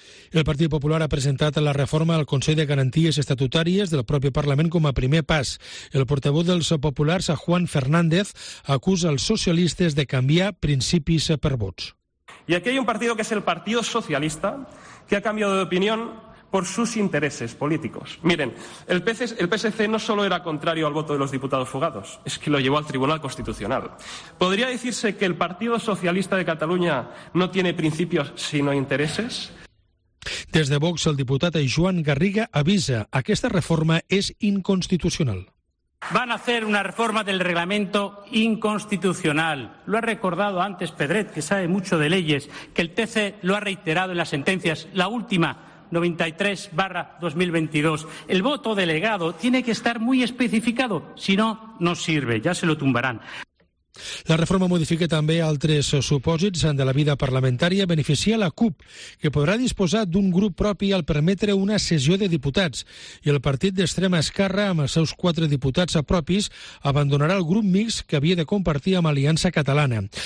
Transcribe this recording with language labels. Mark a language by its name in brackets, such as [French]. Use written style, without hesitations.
[Catalan] El Partit Popular ha presentat la reforma al Consell de Garanties Estatutàries del propi Parlament com a primer pas. El portaveu dels populars, Juan Fernández, acusa els socialistes de canviar principis per vots. I aquí hi ha un partit que és el Partit Socialista, que ha canviat d'opinió per [Spanish] sus intereses políticos. Miren, el PSC no solo era contrario al voto de los diputados fugados, es que lo llevó al Tribunal Constitucional. ¿Podría decirse que el Partido Socialista de Cataluña no tiene principios sino intereses? [Catalan] Des de Vox, el diputat Joan Garriga avisa que aquesta reforma és inconstitucional. [Spanish] Van a hacer una reforma del reglamento inconstitucional. Lo ha recordado antes Pedret, que sabe mucho de leyes, que el TC lo ha reiterado en las sentencias, la última, 93/2022. El voto delegado tiene que estar muy especificado, si no, no sirve, ya se lo tumbarán. [Catalan] La reforma modifica també altres supòsits de la vida parlamentària, beneficia la CUP, que podrà disposar d'un grup propi al permetre una sessió de diputats, i el partit d'extrema esquerra, amb els seus 4 diputats propis, abandonarà el grup mixt que havia de compartir amb Aliança Catalana.